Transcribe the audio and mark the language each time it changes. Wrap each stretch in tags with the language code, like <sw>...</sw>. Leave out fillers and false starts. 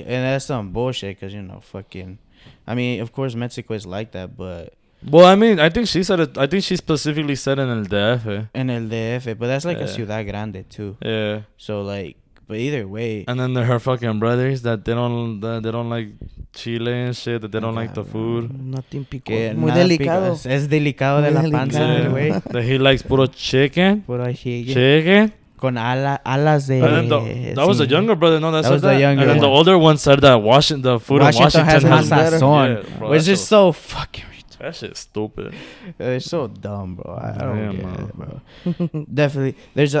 <en>And that's some bullshit because, you know, fucking. I mean, of course, Mexico is like that, but. Well, I mean, I think she said it. I think she specifically said in El DF. In El DF, but that's like a</en> <es>ciudad grande</es> <en>too. Yeah. So like, but either way. And then her fucking brothers that they don't like Chile and shit. That they don't like the food. Nothing pique.</en> <es>Muy delicado. Es delicado de la panza, güey.</es> <en>That he likes</en> <es>puro</es> <en>chicken. Puro chicken. Chicken.</en> <es>Con alas de.</es> <en>That was the younger brother. No, that's the younger. And then the older one said that Washington has sazón, which is so fucking. That shit's stupid. It's so dumb, bro. I don't get it, bro. Definitely.</en>